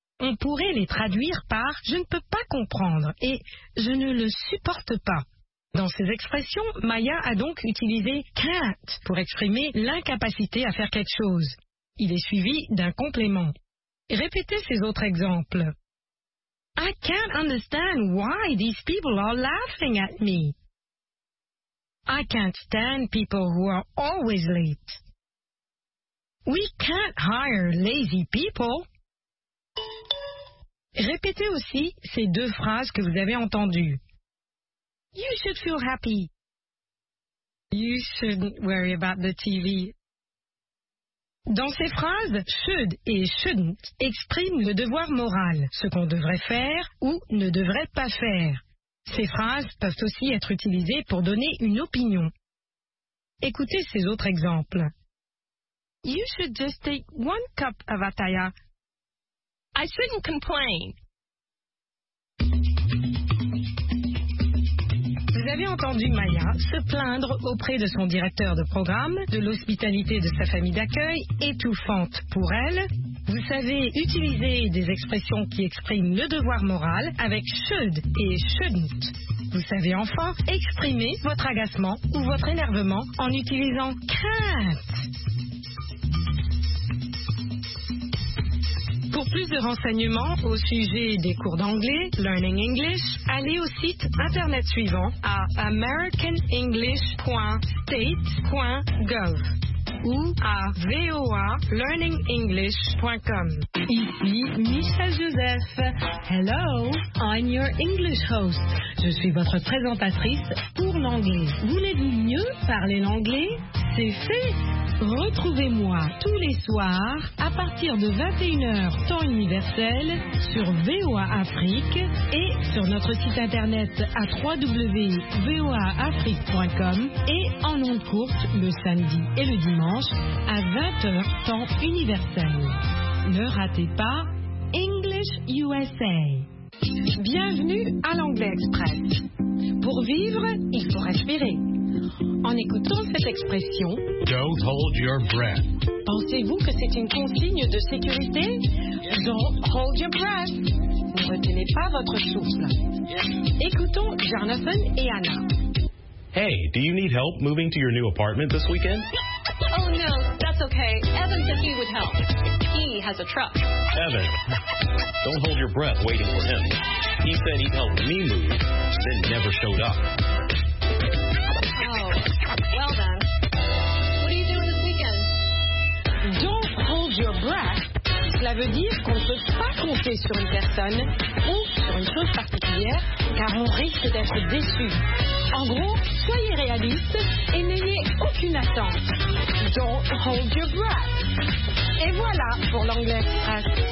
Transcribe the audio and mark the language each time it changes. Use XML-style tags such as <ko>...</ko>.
<fr>On pourrait les traduire par « je ne peux pas comprendre » et « je ne le supporte pas ». Dans ses expressions, Maya a donc utilisé « can't » pour exprimer l'incapacité à faire quelque chose. Il est suivi d'un complément. Répétez ces autres exemples.</fr> <en>« I can't understand why these people are laughing at me. » I can't stand people who are always late. We can't hire lazy people.</en> <fr>Répétez aussi ces deux phrases que vous avez entendues.</fr> <en>You should feel happy. You shouldn't worry about the TV.</en> <fr>Dans ces phrases, should et shouldn't expriment le devoir moral, ce qu'on devrait faire ou ne devrait pas faire. Ces phrases peuvent aussi être utilisées pour donner une opinion. Écoutez ces autres exemples. You should just take one cup of Ataya. I shouldn't complain. Vous avez entendu Maya se plaindre auprès de son directeur de programme de l'hospitalité de sa famille d'accueil étouffante pour elle. Vous savez utiliser des expressions qui expriment le devoir moral avec should et shouldn't. Vous savez enfin exprimer votre agacement ou votre énervement en utilisant can't. Pour plus de renseignements au sujet des cours d'anglais, Learning English, allez au site internet suivant à americanenglish.state.gov. ou à voalearningenglish.com. Ici Michel Joseph.</fr> <en>Hello, I'm your English host.</en> <fr>Je suis votre présentatrice pour l'anglais. Voulez-vous mieux parler l'anglais? C'est fait! Retrouvez-moi tous les soirs à partir de 21h temps universel sur VOA Afrique et sur notre site internet à www.voaafrique.com et en ondes courtes le samedi et le dimanche à 20h temps universel. Ne ratez pas English USA. Bienvenue à l'Anglais Express. Pour vivre, il faut respirer. En écoutant cette expression,</fr> <en>don't hold your breath.</en> <fr>Pensez-vous que c'est une consigne de sécurité?</fr> <en>Don't hold your breath.</en> <fr>Ne retenez pas votre souffle. Écoutons Jonathan et Anna.</fr> <en>Hey, do you need help moving to your new apartment this weekend? Oh no, that's okay. Evan said he would help. He has a truck. Evan, don't hold your breath waiting for him. He said he'd help me move, then never showed up. Well then, what are you doing this weekend? Don't hold your breath.</en> <fr>Cela veut dire qu'on ne peut pas compter sur une personne ou sur une chose particulière, car on risque d'être déçu. En gros, soyez réaliste et n'ayez aucune attente.</fr> <en>Don't hold your breath.</en> <fr>Et voilà pour l'Anglais Express.</fr>